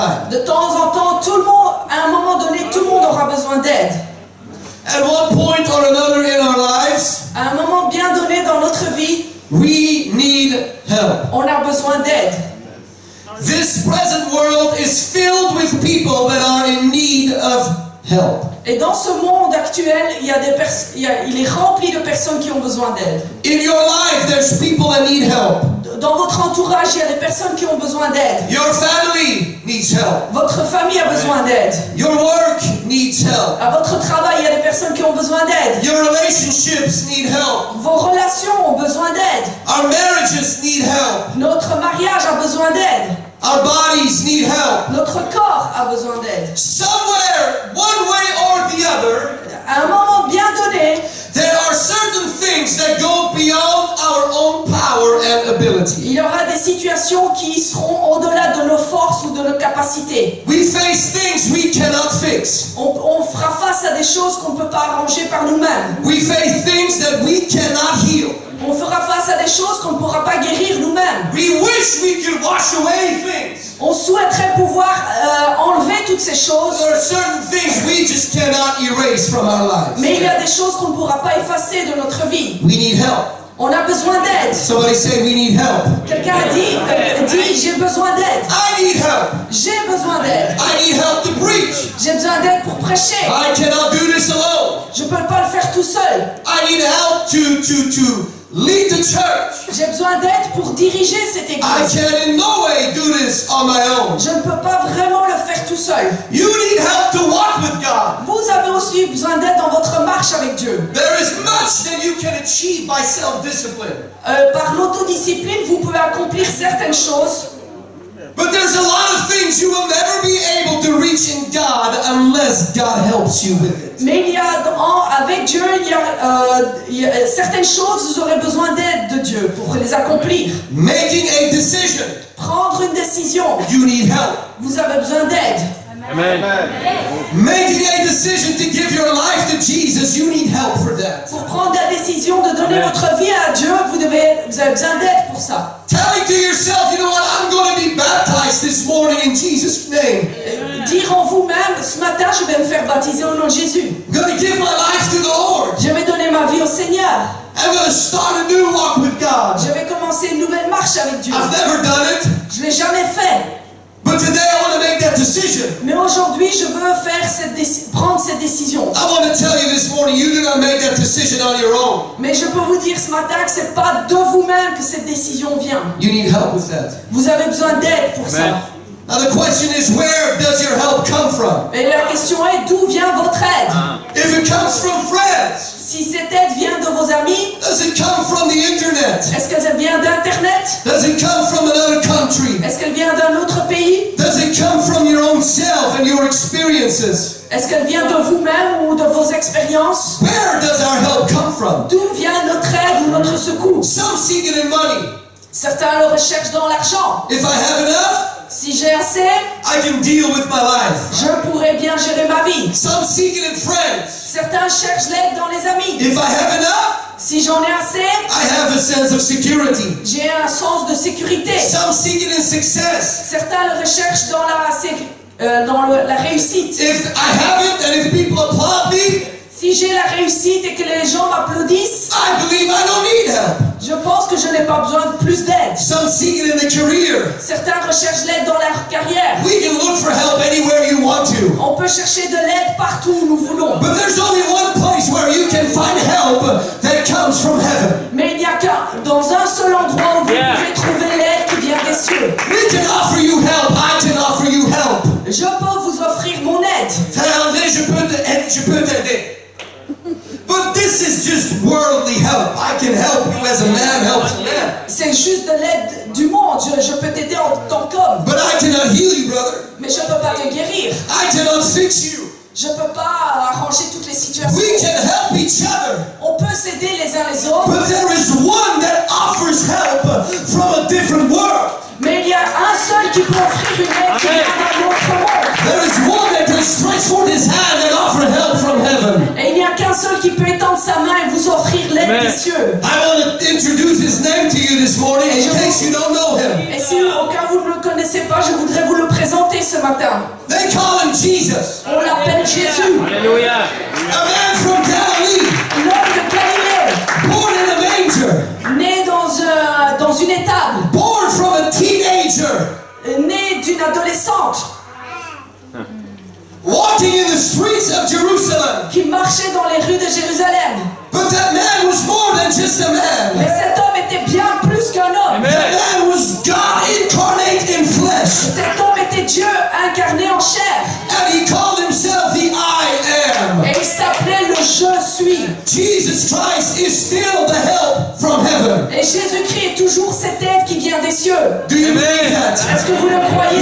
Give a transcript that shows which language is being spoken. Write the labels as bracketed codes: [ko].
[fr] De temps en temps, tout le monde, à un moment donné, tout le monde aura besoin d'aide. [en] At one point or another in our lives, [fr] à un moment bien donné dans notre vie, [en] we need help. [fr] On a besoin d'aide. [en] This present world is filled with people that are in need of help. [fr] Et dans ce monde actuel, il est rempli de personnes qui ont besoin d'aide. [en] In your life, there's people that need help. [fr] Dans votre entourage, il y a des personnes qui ont besoin d'aide. [en] Your family needs help. [fr] Votre famille a besoin d'aide. [en] Your work needs help. [fr] À votre travail, il y a des personnes qui ont besoin d'aide. [en] Your relationships need help. [fr] Vos relations ont besoin d'aide. [en] Our marriages need help. [fr] Notre mariage a besoin d'aide. [en] Our bodies need help. [fr] Notre corps a besoin d'aide. [en] Somewhere, one way or the other, [fr] à un moment bien donné, [en] there are certain things that go beyond our own power and ability. [fr] Il y aura des situations qui seront au-delà de nos forces ou de nos capacités. [en] We face things we cannot fix. [fr] On fera face à des choses qu'on ne peut pas arranger par nous-mêmes. [en] We face things that we cannot heal. [fr] On fera face à des choses qu'on ne pourra pas guérir nous-mêmes. [en] We wish we could wash away things. [fr] On souhaiterait pouvoir enlever toutes ces choses. [en] There are certain things we just cannot erase from our lives. [fr] Mais il y a des choses qu'on ne pourra pas effacer de notre vie. [en] We need help. [fr] On a besoin d'aide. [en] Somebody say we need help. [fr] Quelqu'un a dit j'ai besoin d'aide. [en] I need help. [fr] J'ai besoin d'aide. [en] I need help to preach. [fr] J'ai besoin d'aide pour prêcher. [en] I cannot do this alone. [fr] Je ne peux pas le faire tout seul. [en] I need help to lead the church. [fr] J'ai besoin d'aide pour diriger cette église. [en] I can in no way do this on my own. [fr] Je ne peux pas vraiment le faire tout seul. [en] You need help to walk with God. [fr] Vous avez aussi besoin d'aide dans votre marche avec Dieu. [en] There is much that you can achieve by self-discipline. [fr] Par l'autodiscipline, vous pouvez accomplir certaines choses. [en] But there's a lot of things you will never be able to reach in God unless God helps you with it. [fr] Mais il y a, avec Dieu, il y a certaines choses, vous aurez besoin d'aide de Dieu pour les accomplir. [en] Making a decision. [fr] Prendre une décision. [en] You need help. [fr] Vous avez besoin d'aide. [en] Amen. Making a decision to give your life to Jesus, you need help for that. [fr] Pour prendre la décision de donner Amen. Votre vie à Dieu, vous avez besoin d'aide pour ça. [en] Telling to yourself, you know what, I'm going to be baptized this morning in Jesus' name. [fr] Dire en vous-même, ce matin, je vais me faire baptiser au nom de Jésus. [en] I'm going to give my life to the Lord. [fr] Je vais donner ma vie au Seigneur. [en] I'm going to start a new walk with God. [fr] Je vais commencer une nouvelle marche avec Dieu. [en] I've never done it. [fr] Je l'ai jamais fait. [en] But today I want to make that decision. [fr] Mais aujourd'hui, je veux faire prendre cette décision. [en] I want to tell you this morning, you do not make that decision on your own. [fr] Mais je peux vous dire ce matin que c'est pas de vous-même que cette décision vient. [en] You need help with that. [fr] Vous avez besoin d'aide pour [en] Amen. [fr] Ça. [en] Now the question is, where does your help come from? [fr] Et la question est, d'où vient votre aide? [en] If it comes from friends. [fr] Si cette aide vient de vos amis. [en] Does it come from the internet? [fr] Est-ce qu'elle vient d'internet? [en] Does it come from another country? [fr] Est-ce qu'elle vient d'un autre pays? [en] Does it come from your own self and your experiences? [fr] Est-ce qu'elle vient de vous-même ou de vos expériences? [en] Where does our help come from? [fr] D'où vient notre aide ou notre secours? [en] Some seek it in money. [fr] Certains le recherchent dans l'argent. [en] If I have enough. [fr] Si j'ai assez, [en] I can deal with my life. [fr] Je pourrais bien gérer ma vie. [en] Some seek it in friends. [fr] Certains cherchent l'aide dans les amis. [en] If I have enough, [fr] si j'en ai assez, [en] I have a sense of security. [fr] J'ai un sens de sécurité. [en] Some seek it in success. [fr] Certains le recherchent dans la réussite. [en] If I have it and if people applaud me, [fr] si j'ai la réussite et que les gens m'applaudissent, [en] I believe I don't need help. [fr] Je pense que je n'ai pas besoin de plus d'aide. [en] Some seek it in the career. [fr] Certains recherchent l'aide dans leur carrière. [en] We can look for help anywhere you want to. [fr] On peut chercher de l'aide partout où nous voulons. [en] But there's only one place where you can find help that comes from heaven. [fr] Mais il n'y a qu'un dans un seul endroit où vous pouvez trouver l'aide qui vient des cieux. [en] We can offer you help. I can offer you help. [fr] Je peux vous offrir mon aide. Attendez, je peux t'aider. [en] But this is just worldly help. I can help you as a man helps a man. [fr] C'est juste de l'aide du monde. Je peux t'aider en tant qu'homme. [en] But I cannot heal you, brother. [fr] Mais je peux pas te guérir. [en] I cannot fix you. [fr] Je peux pas arranger toutes les situations. [en] We can help each other. [fr] On peut s'aider les uns les autres. [en] But there is one that offers help from a different world. [fr] Mais il y a un seul qui peut offrir une aide qui vient d'un autre monde. [en] There is one that can stretch forth his hand and offer help from heaven. [fr] Seul qui peut étendre sa main et vous offrir l'aide des cieux. [en] I want to introduce his name to you this morning in case you don't know him. [fr] Et si au cas où vous ne le connaissez pas, je voudrais vous le présenter ce matin. [en] They call him Jesus. [fr] On l'appelle Jésus. Alléluia. [en] A man from Galilee. [fr] Un homme de Galilée. [en] Born in a manger. [fr] Né dans une étable. [en] Born from a teenager. [fr] Né d'une adolescente. [en] Walking in the streets of Jerusalem. [fr] Qui marchait dans les rues de Jérusalem. [en] But that man was more than just a man. [fr] Mais cet homme était bien plus qu'un homme. [en] Amen. That man was God incarnate in flesh. [fr] Cet homme était Dieu incarné en chair. [en] And he called himself the I am. [fr] Et il s'appelait le Je suis. [en] Jesus Christ is still the help from heaven. [fr] Et Jésus-Christ est toujours cette aide qui vient des cieux. [en] Do you believe that? [fr] Est-ce que vous le croyez?